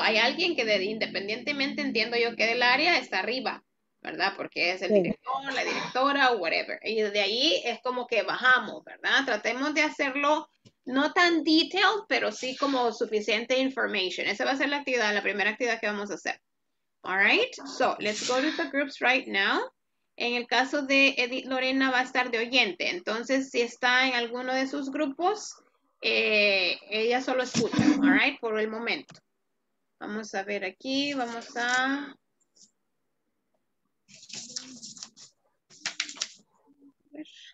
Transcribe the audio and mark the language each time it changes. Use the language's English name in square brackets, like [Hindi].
[Spanish] Hay alguien que independientemente entiendo yo que del área está arriba, ¿verdad? Porque es el director, la directora o whatever. Y de ahí es como que bajamos, ¿verdad? Tratemos de hacerlo no tan detailed, pero sí como suficiente information. Esa va a ser la primera actividad que vamos a hacer. [English] All right, so let's go to the groups right now. [Spanish] En el caso de Edith Lorena va a estar de oyente. Entonces, si está en alguno de sus grupos, ella solo escucha, all right, por el momento. Vamos a ver aquí, vamos a... A ver.